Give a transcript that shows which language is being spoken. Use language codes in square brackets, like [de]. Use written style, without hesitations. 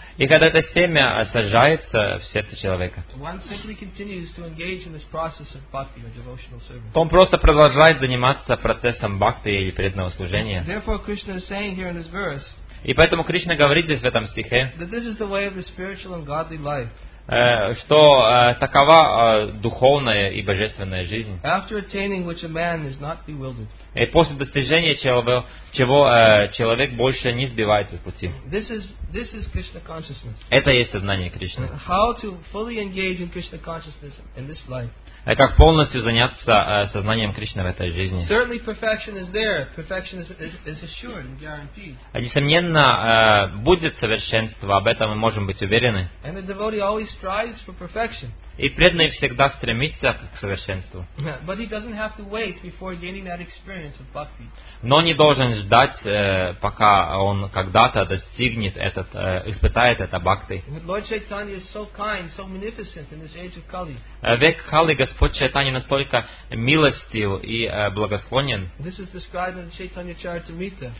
[ru] и когда это семя сажается в сердце человека, [en] one simply continues to engage in this process of bhakti or devotional service. [ru] То он просто продолжает заниматься процессом бхакти или преданного служения. [en] Therefore, Krishna is saying here in this verse, [ru] и поэтому Кришна говорит здесь в этом стихе, [en] that this is the way of the spiritual and godly life. [ru] Что такова духовная и божественная жизнь. [en] After attaining which a man is not bewildered. [ru] И после достижения чего человек больше не сбивается с пути. [en] This is Krishna consciousness. [ru] Это есть сознание Кришны. [en] How to fully engage in Krishna consciousness in this life. [ru] Как полностью заняться сознанием Кришны в этой жизни. [en] Certainly perfection is there. Perfection is assured and guaranteed. [ru] Несомненно, будет совершенство, об этом мы можем быть уверены. [en] And the devotee always strives for perfection. [ru] И преданный всегда стремится к совершенству. [en] But he doesn't have to wait before gaining that experience of bhakti. [ru] Но не должен ждать, пока он когда-то достигнет этот, испытает это бхакти. [en] Lord Chaitanya is so kind, so munificent in this age of Kali. [ru] Век Кали Господь Чайтанья настолько милостив и благосклонен. [en] This is described in Chaitanya Charitamrita.